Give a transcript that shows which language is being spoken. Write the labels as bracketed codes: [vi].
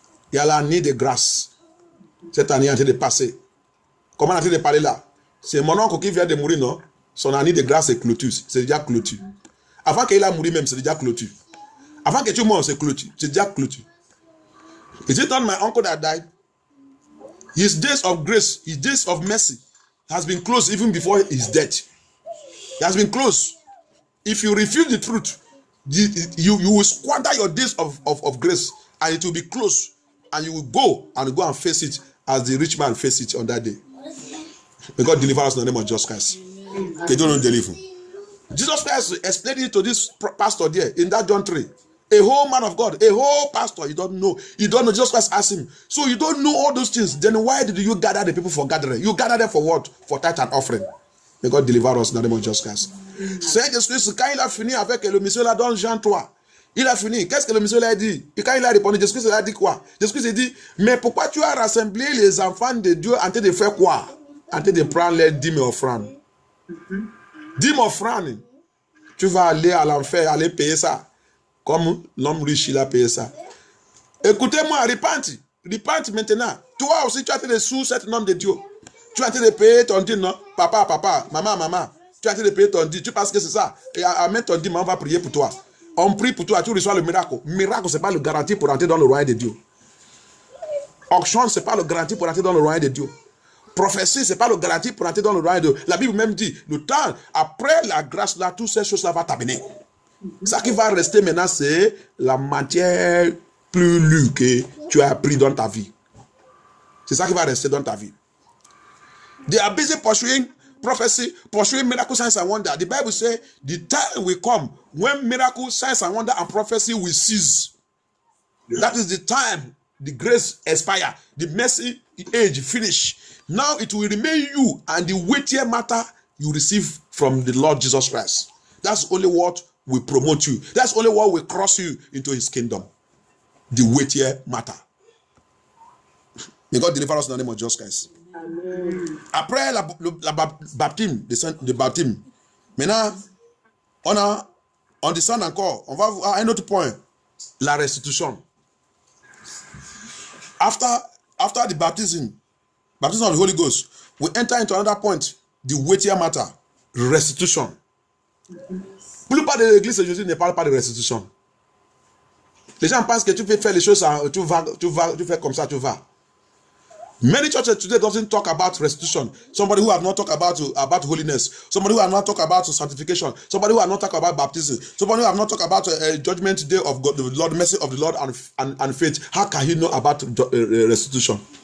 [fr] Il y a l'année de grâce. Cette année est en train de passer. Comment est-ce que tu as parlé là? C'est mon oncle qui vient de mourir, non? Son année de grâce est clôture. C'est déjà clôture. Avant qu'il a mouru même, c'est déjà clôture. Avant que tu meurs, c'est clôture. C'est déjà clôture. [en] Is it not my uncle that died? His days of grace, his days of mercy has been closed even before his death. It has been closed. If you refuse the truth, you will squander your days of grace and it will be closed. And you will go and face it as the rich man faced it on that day. May God deliver us in the name of Jesus Christ. [fr] Que Dieu nous délivre. [en] Jesus Christ explained it to this pastor there in that John 3. A whole man of God, a whole pastor, you don't know, Jesus Christ asked him. So you don't know all those things, then why did you gather the people for gathering? You gather them for what? For tithe and offering. May God deliver us in the name of Jesus Christ. [fr] Saint Jesus, quand il a fini avec le monsieur là dans Jean 3, il a fini, qu'est-ce que le monsieur là a dit? Et quand il a répondu, Jesus Christ a dit quoi? Jesus Christ a dit, mais pourquoi tu as rassemblé les enfants de Dieu en train de faire quoi? En train de prendre les dîmes offrandes. Dîmes offrandes, tu vas aller à l'enfer, aller payer ça. Comme l'homme riche, il a payé ça. Écoutez-moi, repente. Repente maintenant. Toi aussi, tu as été sous cet nom de Dieu. Tu as été de payer ton dîme, non? Papa, maman. Tu as été de payer ton dîme. Tu penses que c'est ça? Et amène ton dîme, on va prier pour toi. On prie pour toi, tu reçois le miracle. Miracle, ce n'est pas le garantie pour entrer dans le royaume de Dieu. Auction, ce n'est pas le garantie pour entrer dans le royaume de Dieu. Prophétie, ce n'est pas le garantie pour entrer dans le royaume de Dieu. La Bible même dit, le temps, après la grâce, là, toutes ces choses-là vont t'amener. Ce qui va rester maintenant, c'est la matière plus lue que tu as appris dans ta vie. C'est ça qui va rester dans ta vie. [en] They are busy pursuing prophecy, pursuing miracle, signs and wonder. The Bible says, the time will come when miracle, signs and wonder and prophecy will cease. That is the time the grace expire, the mercy age finish. Now it will remain you and the weightier matter you receive from the Lord Jesus Christ. That's only what we promote you. That's only what will cross you into his kingdom. The weightier matter. May God deliver us in the name of Jesus Christ. Amen. [fr] Après la baptême, the baptême, maintenant, on descend encore. On va voir un autre point. La restitution. [en] After the baptism of the Holy Ghost, we enter into another point, the weightier matter, restitution. Mm-hmm. [fr] La plupart de l'église aujourd'hui ne parle pas de restitution. Les gens pensent que tu peux faire les choses, tu fais comme ça, tu vas. [en] Many churches today doesn't talk about restitution. Somebody who have not talked about holiness. Somebody who have not talked about sanctification. Somebody who have not talked about baptism. Somebody who have not talked about a judgment day of God, the Lord, mercy of the Lord and faith. How can he know about restitution?